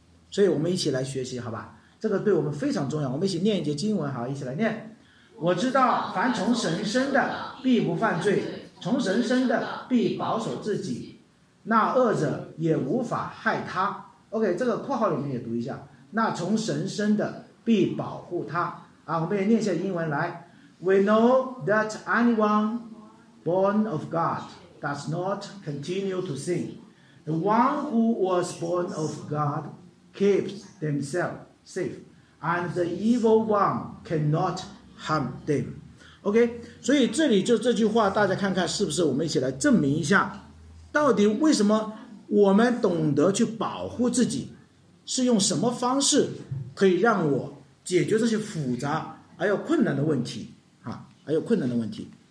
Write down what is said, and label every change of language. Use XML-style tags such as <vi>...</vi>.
<zh>所以我们一起来学习，好吧？这个对我们非常重要。我们一起念一节经文，好，一起来念。我知道凡从神生的必不犯罪，从神生的必保守自己，那恶者也无法害他。 OK， 这个括号里面也读一下，那从神生的必保护他啊。我们也念一下英文来。</zh> <en>We know that anyone born of God does not continue to sin. The one who was born of God keeps themselves safe, and the evil one cannot harm them.</en> <zh>OK， 所以这里就这句话，大家看看是不是，我们一起来证明一下，到底为什么我们懂得去保护自己，是用什么方式可以让我解决这些复杂而又困难的问题啊，还有困难的问题。</zh>